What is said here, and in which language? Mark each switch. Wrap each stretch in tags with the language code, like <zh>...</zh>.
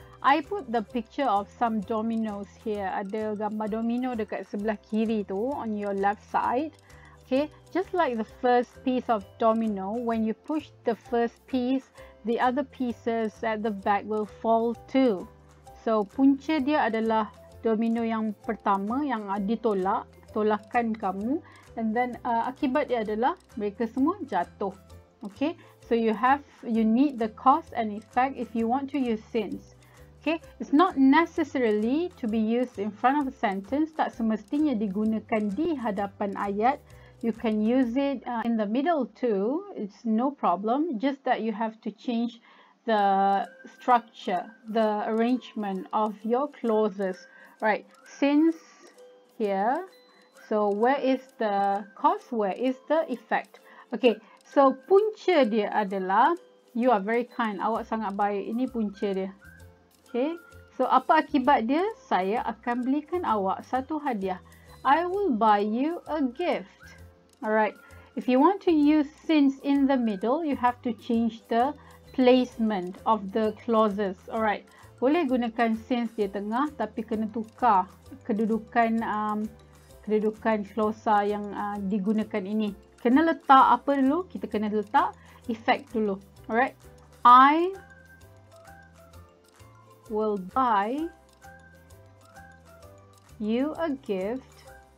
<en>I put the picture of some dominoes here.</en> <ms>Ada gambar domino dekat sebelah kiri tu,</ms> <en>on your left side. Okay, just like the first piece of domino, when you push the first piece, the other pieces at the back will fall too.</en> <ms>So, punca dia adalah domino yang pertama yang ditolak, tolakkan kamu.</ms> <en>And then,</en> <ms>akibat dia adalah mereka semua jatuh.</ms> <en>Okay, so you need the cause and effect if you want to use since. Okay, it's not necessarily to be used in front of a sentence.</en> <ms>Tak semestinya digunakan di hadapan ayat.</ms> <en>You can use it in the middle too. It's no problem. Just that you have to change the structure, the arrangement of your clauses. Right, since here. So where is the cause? Where is the effect? Okay. So,</en> <ms>punca dia adalah,</ms> <en>you are very kind,</en> <ms>awak sangat baik, ini punca dia. Okay, so apa akibat dia? Saya akan belikan awak satu hadiah.</ms> <en>I will buy you a gift. Alright, if you want to use since in the middle, you have to change the placement of the clauses.</en> <ms>Alright, boleh gunakan since di tengah, tapi kena tukar kedudukan kedudukan klausa yang digunakan ini. Kena letak apa dulu? Kita kena letak effect dulu. Alright.</ms> <en>I will buy you a gift</en>